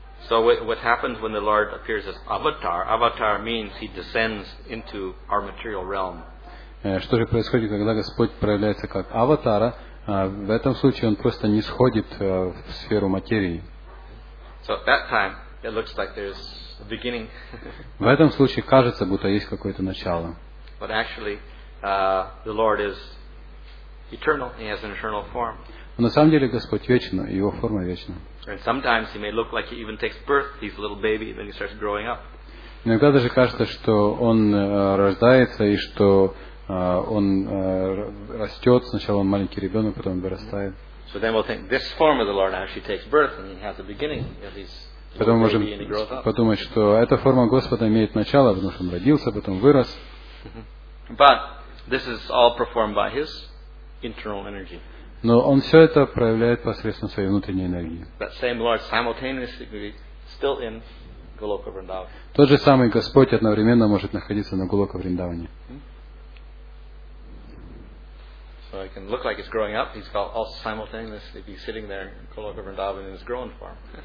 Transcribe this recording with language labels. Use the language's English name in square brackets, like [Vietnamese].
[English] So what happens when the Lord appears as avatar? Avatar means he descends into our material realm. [Russian] Что же происходит, когда Господь проявляется как аватара? В этом случае Он просто не сходит в сферу материи. [English] So at that time, it looks like there's a beginning. [Russian] В этом случае кажется, будто есть какое-то начало. [English] But actually, the Lord is eternal. He has an eternal form. [Russian] Но на самом деле Господь вечен, и Его форма вечна. [English] And sometimes He may look like He even takes birth. He's a little baby, then He starts growing up. [Russian] Иногда даже кажется, что Он рождается, и что он растет, сначала он маленький ребенок, потом вырастает. [English] So then we'll think this form of the Lord actually takes birth and he has a beginning, at least. [Russian] Потом можем подумать, что эта форма Господа имеет начало, потому что он родился, потом вырос. [English] But this is all performed by his internal energy. [Russian] Но он все это проявляет посредством своей внутренней энергии. [English] That same Lord simultaneously still in Goloka Vrindavan. [Russian] Тот же самый Господь одновременно может находиться на Голока Вриндаване. [English] So it can look like he's growing up. He's also simultaneously be sitting there, Goloka Vrindavan, in his grown form.